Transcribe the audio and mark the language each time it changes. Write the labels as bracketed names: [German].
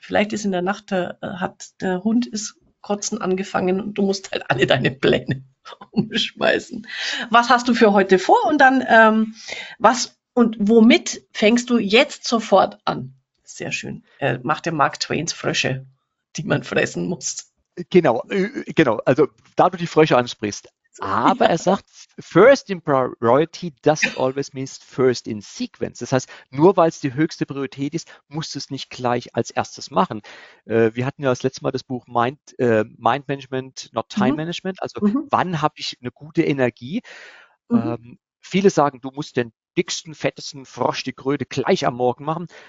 [German] Vielleicht ist in der Nacht, hat der Hund ist Kotzen angefangen und du musst halt alle deine Pläne umschmeißen. Was hast du für heute vor? Und dann, was und womit fängst du jetzt sofort an? Sehr schön. Macht der Mark Twains Frösche, die man fressen muss. Genau, also da du die Frösche ansprichst, Aber er sagt, [English] first in priority doesn't always mean first in sequence. [German] Das heißt, nur weil es die höchste Priorität ist, musst du es nicht gleich als erstes machen. Wir hatten ja das letzte Mal das Buch Mind Management, not Time Management. Also, wann habe ich eine gute Energie? Viele sagen, du musst den dicksten, fettesten Frosch, die Kröte gleich am Morgen machen.